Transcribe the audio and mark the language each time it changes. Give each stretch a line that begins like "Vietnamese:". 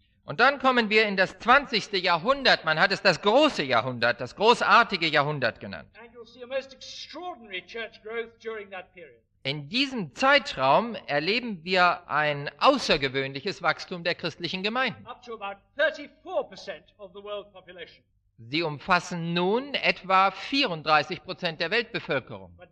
German: Und dann kommen wir in das 20. Jahrhundert. Man hat es das große Jahrhundert, das großartige Jahrhundert genannt.
English: And you'll see a most extraordinary church growth during that period.
German: In diesem Zeitraum erleben wir ein außergewöhnliches Wachstum der christlichen Gemeinden.
English: Up to about 34% of the world population.
German: Sie umfassen nun etwa 34% der Weltbevölkerung.